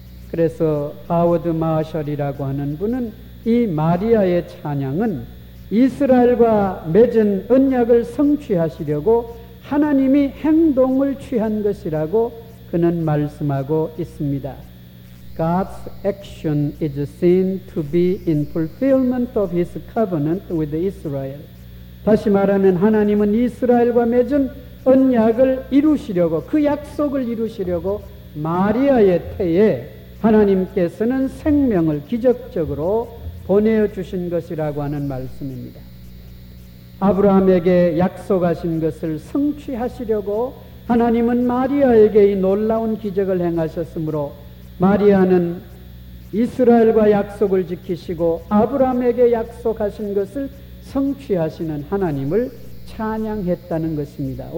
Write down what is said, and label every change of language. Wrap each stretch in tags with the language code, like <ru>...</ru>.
<ko>그래서 하워드 마셜이라고 하는 분은 이 마리아의 찬양은 이스라엘과 맺은 언약을 성취하시려고 하나님이 행동을 취한 것이라고 그는 말씀하고 있습니다.</ko> <en>God's action is seen to be in fulfillment of his covenant with Israel.</en> <ko>다시 말하면 하나님은 이스라엘과 맺은 언약을 이루시려고, 그 약속을 이루시려고 마리아의 태에 하나님께서는 생명을 기적적으로 보내주신 것이라고 하는 말씀입니다. 아브라함에게 약속하신 것을 성취하시려고 하나님은 마리아에게 이 놀라운 기적을 행하셨으므로 마리아는 이스라엘과 약속을 지키시고 아브라함에게 약속하신 것을 성취하시는 하나님을 찬양했다는 것입니다.</ko>